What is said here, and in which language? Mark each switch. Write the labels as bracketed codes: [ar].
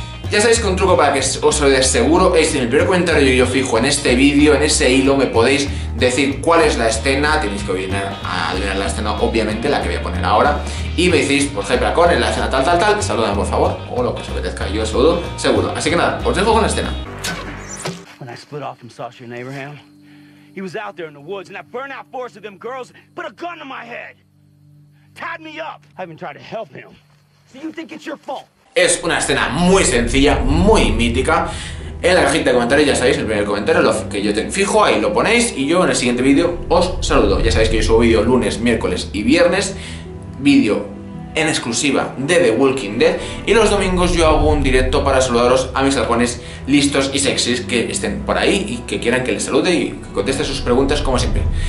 [es] Ya sabéis que un truco para que os salude seguro es en el primer comentario yo fijo en este vídeo, en ese hilo, me podéis decir cuál es la escena. Tenéis que adivinar la escena, obviamente, la que voy a poner ahora. Y me decís, por ejemplo, con la escena tal, tal, tal, saludad por favor, o lo que os apetezca, yo os saludo seguro. Así que nada, os dejo con la escena. [en] Cuando me split off from Sasha and Abraham, he was out there in the woods, and that burnout force of them girls put a gun to my head. Tied me up. I even tried to help him. So you think it's your fault? [es] Es una escena muy sencilla, muy mítica. En la cajita de comentarios, ya sabéis, el primer comentario lo que yo te fijo, ahí lo ponéis, y yo en el siguiente vídeo os saludo. Ya sabéis que yo subo vídeo lunes, miércoles y viernes, vídeo en exclusiva de The Walking Dead, y los domingos yo hago un directo para saludaros a mis halcones listos y sexys que estén por ahí y que quieran que les salude y que conteste sus preguntas como siempre.